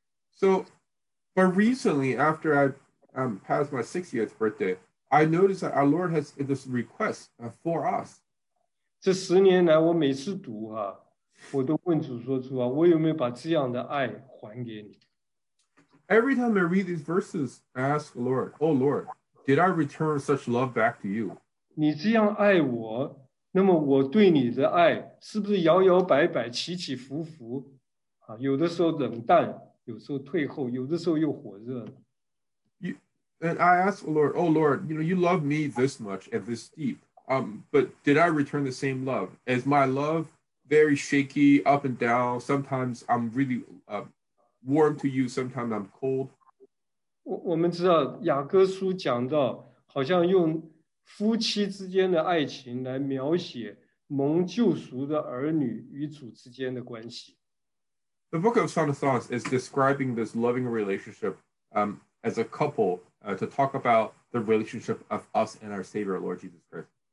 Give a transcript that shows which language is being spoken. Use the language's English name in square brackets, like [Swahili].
[English] So, but recently, after I passed my 60th birthday, I noticed that our Lord has this request for us. [Chinese] 这十年来我每次读啊, 我都问主说主啊, 我有没有把这样的爱还给你? [English] Every time I read these verses, I ask the Lord, Oh Lord, did I return such love back to you? [Chinese] 你这样爱我, 那么我对你的爱是不是摇摇摆摆起起伏伏, 啊, 有的时候冷淡, 有时候退后, 有的时候又火热。 [English] And I asked the Lord, Oh Lord, you know, you love me this much and this deep, but did I return the same love? Is my love very shaky, up and down? Sometimes I'm really warm to you, sometimes I'm cold. [Chinese] 我们知道雅各书讲到好像用 夫妻之间的爱情来描写蒙救赎的儿女与主之间的关系。 [English] The book of Song of Songs is describing this loving relationship as a couple to talk about the relationship of us and our Savior, Lord Jesus Christ.